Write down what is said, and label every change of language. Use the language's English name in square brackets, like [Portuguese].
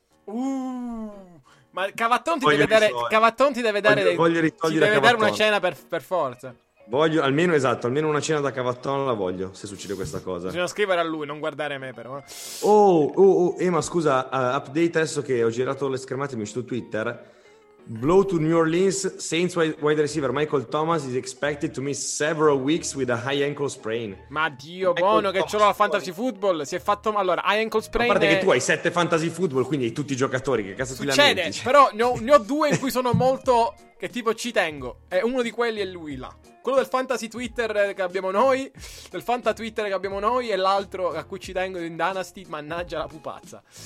[Italian] Ma Cavatton ti deve dare una cena per forza. Voglio almeno, esatto, almeno una cena da Cavatton la voglio, se succede questa cosa. Bisogna scrivere a lui, non guardare a me però. Ma scusa, update adesso che ho girato le schermate, mi è uscito Twitter. [English] Blow to New Orleans, Saints wide receiver Michael Thomas is expected to miss several weeks with a high ankle sprain. [Italian] Ma Dio buono, che ce l'ho al fantasy football. Si è fatto, allora, [English] high ankle sprain. [Italian] A parte che tu hai 7 fantasy football, quindi hai tutti i giocatori, che cazzo succede, ti lamenti? Succede, però ne ho 2 in cui sono molto, che tipo ci tengo. E uno di quelli è lui là. Quello del fantasy Twitter che abbiamo noi, del fanta Twitter che abbiamo noi, e l'altro a cui ci tengo in Dynasty, mannaggia la pupazza.